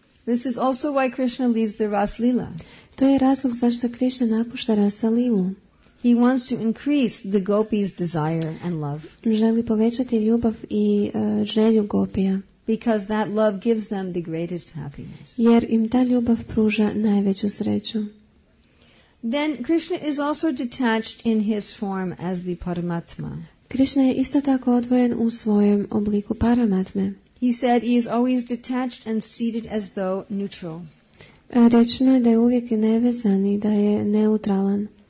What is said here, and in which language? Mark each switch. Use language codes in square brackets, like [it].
[en] This is also why Krishna leaves the Rasalila. [hr] To je razlog zašto Krishna napušta Rasalilu. [en] He wants to increase the gopis' desire and love. [hr] Želi povećati ljubav i želju gopija. [en] Because that love gives them the greatest happiness. [hr] Jer im ta ljubav pruža najveću sreću. [en] Then Krishna is also detached in his form as the Paramatma. [hr] Krishna je isto tako odvojen u svojem obliku Paramatme. [en] He said he is always detached and seated as though neutral. [hr] Rečeno je da je uvijek nevezan i da je neutralan.